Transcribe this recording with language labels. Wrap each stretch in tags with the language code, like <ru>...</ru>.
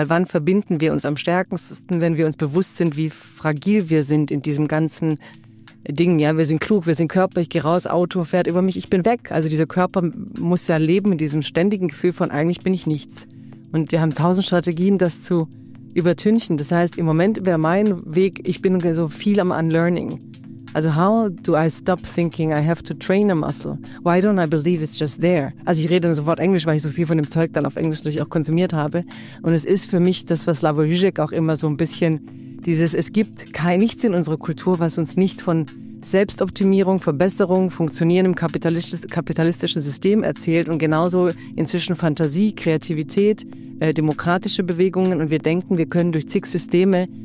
<de>Weil wann verbinden wir uns am stärksten, wenn wir uns bewusst sind, wie fragil wir sind in diesem ganzen Ding. Ja, wir sind klug, wir sind körperlich, ich gehe raus, Auto fährt über mich, ich bin weg. Also dieser Körper muss ja leben in diesem ständigen Gefühl von eigentlich bin ich nichts. Und wir haben 1000 Strategien, das zu übertünchen. Das heißt, im Moment wäre mein Weg, ich bin so viel am Unlearning.</de> <en>Also how do I stop thinking I have to train a muscle? Why don't I believe it's just there?</en> <de>Also ich rede dann sofort Englisch, weil ich so viel von dem Zeug dann auf Englisch natürlich auch konsumiert habe. Und es ist für mich das, was Slavoj Žižek auch immer so ein bisschen dieses, es gibt kein nichts in unserer Kultur, was uns nicht von Selbstoptimierung, Verbesserung, Funktionieren im kapitalistischen System erzählt und genauso inzwischen Fantasie, Kreativität, demokratische Bewegungen und wir denken, wir können durch zig Systeme</de>